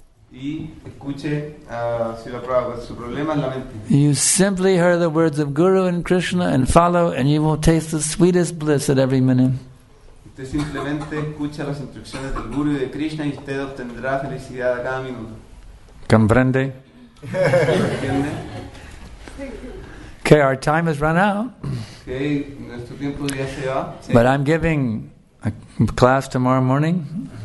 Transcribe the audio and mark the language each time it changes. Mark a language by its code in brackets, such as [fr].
[es] Y escuche, si la prueba, su problema es la mente. [en] You simply hear the words of Guru and Krishna and follow, and you will taste the sweetest bliss at every minute. [es] Usted simplemente escucha las instrucciones del Guru y de Krishna y usted obtendrá felicidad a cada minuto. ¿Comprende? ¿Entiende? [en] Okay, our time has run out. [es] Okay, nuestro tiempo ya se va. Sí. [en] But I'm giving a class tomorrow morning.